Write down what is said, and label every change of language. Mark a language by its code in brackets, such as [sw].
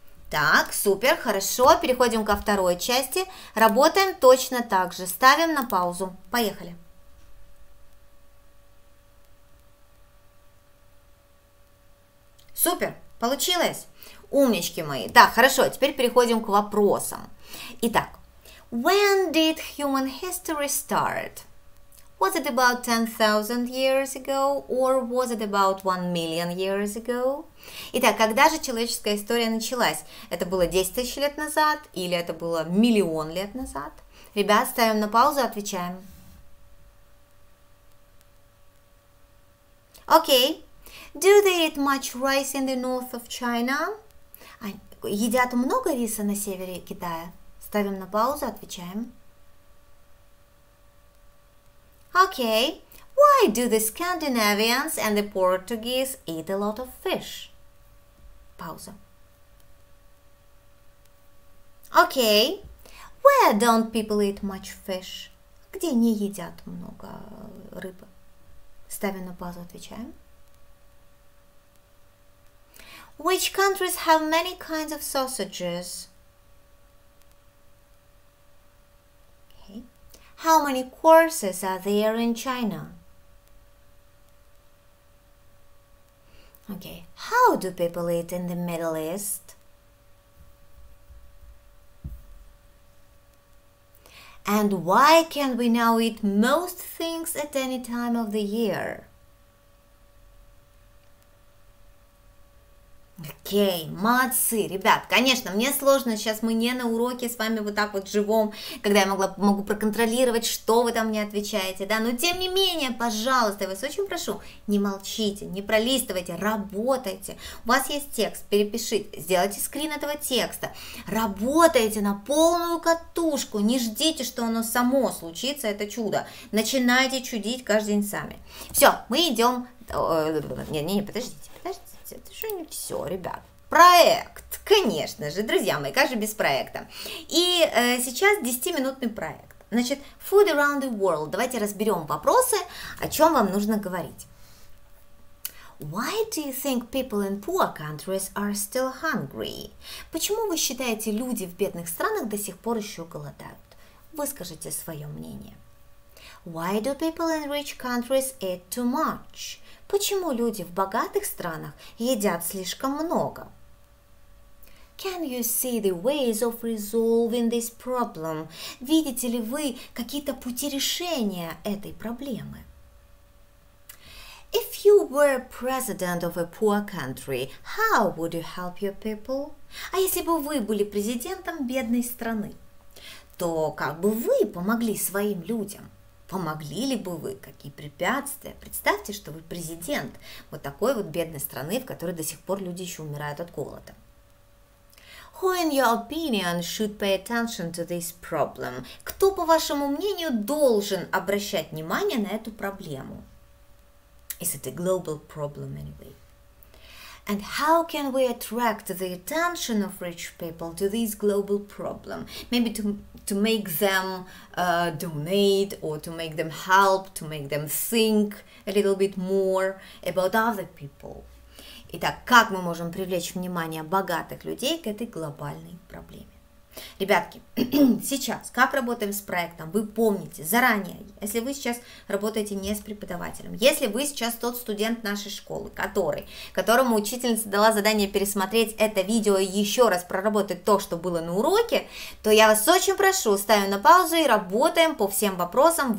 [ru] Так, супер, хорошо, переходим ко второй части, работаем точно так же, ставим на паузу, поехали. Супер, получилось, умнички мои. Так, хорошо, теперь переходим к вопросам. [en] Итак, when did human history start? Was it about 10,000 years ago, or was it about 1 million years ago? [ru] Итак, когда же человеческая история началась? Это было 10 тысяч лет назад, или это было миллион лет назад? Ребят, ставим на паузу, отвечаем. [en] Окей. Okay. Do they eat much rice in the north of China? [ru] Едят много риса на севере Китая? Ставим на паузу, отвечаем. [en] Okay, why do the Scandinavians and the Portuguese eat a lot of fish? Pause. Okay, where don't people eat much fish? [ru] Где не едят много рыбы? Ставим на паузу, отвечаем. [en] Which countries have many kinds of sausages? How many courses are there in China? Okay. How do people eat in the Middle East? And why can we now eat most things at any time of the year? [ru] Окей, молодцы, ребят, конечно, мне сложно, сейчас мы не на уроке с вами вот так вот живем, когда я могу проконтролировать, что вы там мне отвечаете, да, но тем не менее, пожалуйста, я вас очень прошу, не молчите, не пролистывайте, работайте, у вас есть текст, перепишите, сделайте скрин этого текста, работайте на полную катушку, не ждите, что оно само случится, это чудо, начинайте чудить каждый день сами. Все, мы идем, подождите. Это же не все, ребят. Проект, конечно же, друзья мои, как же без проекта. И сейчас 10-минутный проект. [en] Значит, food around the world. [ru] Давайте разберем вопросы, о чем вам нужно говорить. [en] Why do you think people in poor countries are still hungry? [ru] Почему вы считаете, люди в бедных странах до сих пор еще голодают? Выскажите свое мнение. [en] Why do people in rich countries eat too much? [ru] Почему люди в богатых странах едят слишком много? [en] Can you see the ways of resolving this problem? [ru] Видите ли вы какие-то пути решения этой проблемы? [en] If you were president of a poor country, how would you help your people? [ru] А если бы вы были президентом бедной страны, то как бы вы помогли своим людям? Помогли ли бы вы? Какие препятствия? Представьте, что вы президент вот такой вот бедной страны, в которой до сих пор люди еще умирают от голода. [en] Who in your opinion should pay attention to this problem? [ru] Кто, по вашему мнению, должен обращать внимание на эту проблему? [en] Is it a global problem anyway? And how can we attract the attention of rich people to this global problem? Maybe to make them donate or to make them help, to make them think a little bit more about other people. [ru] Итак, как мы можем привлечь внимание богатых людей к этой глобальной проблеме? Ребятки, сейчас, как работаем с проектом, вы помните заранее, если вы сейчас работаете не с преподавателем, если вы сейчас тот студент нашей школы, которому учительница дала задание пересмотреть это видео и еще раз проработать то, что было на уроке, то я вас очень прошу, ставим на паузу и работаем по всем вопросам.